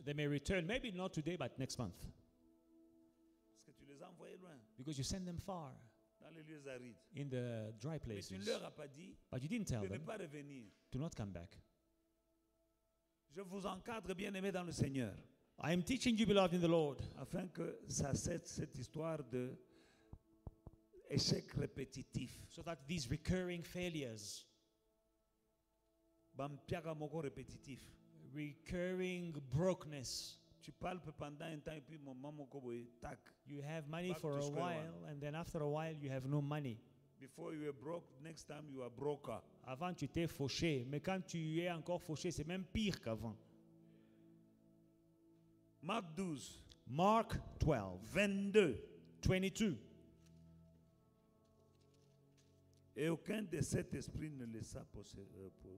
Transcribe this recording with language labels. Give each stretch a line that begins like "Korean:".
English: They may return, maybe not today, but next month.
French: Parce que tu les as envoyés loin.
English: Because you send them far.
French: Dans les lieux arides.
English: In the dry places.
French: Mais tu ne leur as pas dit,
English: but you didn't tell
French: de
English: them
French: ne pas revenir.
English: To not come back.
French: Je vous encadre bien aimé dans le Seigneur.
English: I am teaching you beloved in the Lord.
French: Afin que ça cesse cette histoire de échec répétitif.
English: So that these recurring failures.
Lingala: Bampiaga moko répétitif.
English: Recurring brokenness.
French: Tu palpes pendant un temps et puis mon mamoko boy tac.
English: You have money for a while and then after a while you have no money. Before you were broke, next time you are broker.
French: Avant tu étais fauché, mais quand tu y es encore fauché, c'est même pire qu'avant.
English: Mark 12. Mark 12. 22. 22.
French: Et aucun de sept esprits ne laissa posséder.